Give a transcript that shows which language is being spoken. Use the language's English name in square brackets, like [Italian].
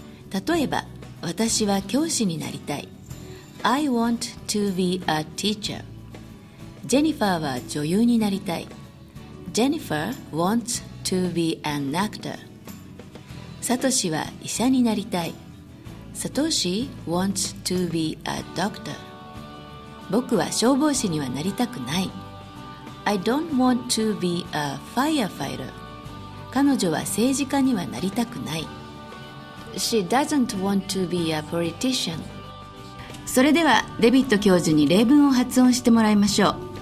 [Japanese] 例えば私は教師になりたい。 [English] I want to be a teacher。 [Japanese] ジェニファーは女優になりたい。 [English] Jennifer wants to be an actor。 [Japanese] サトシは医者になりたい。 [English] サトシ wants to be a doctor。 [Japanese] 僕は消防士にはなりたくない。 [English] I don't want to be a firefighter. [Japanese] 彼女は政治家にはなりたくない。 [English] She doesn't want to be a politician. [Japanese] それではデビッド教授に例文を発音してもらいましょう。